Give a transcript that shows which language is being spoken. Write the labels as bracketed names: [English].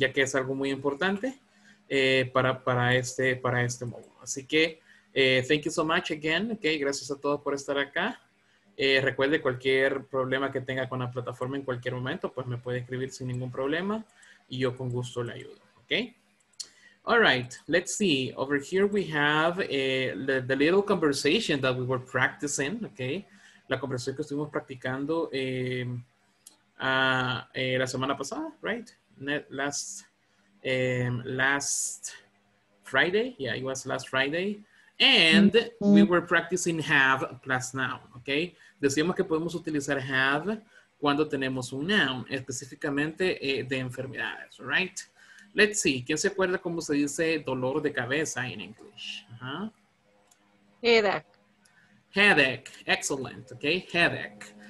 [Spanish] Ya que es algo muy importante para este módulo. Así que [English] thank you so much again. [Spanish] Okay, gracias a todos por estar acá. Recuerde, cualquier problema que tenga con la plataforma en cualquier momento, pues me puede escribir sin ningún problema. Y yo con gusto le ayudo, okay? [English] All right, let's see. Over here we have the little conversation that we were practicing, okay? [Spanish] La conversación que estuvimos practicando la semana pasada, right? [English] Last Friday. Yeah, it was last Friday. And we were practicing have plus noun, okay? [Spanish] Decíamos que podemos utilizar have cuando tenemos un noun, específicamente de enfermedades, right? [English] Let's see, [Spanish] ¿quién se acuerda cómo se dice dolor de cabeza en English? [English] Uh-huh. Headache. Headache, excellent, okay, headache.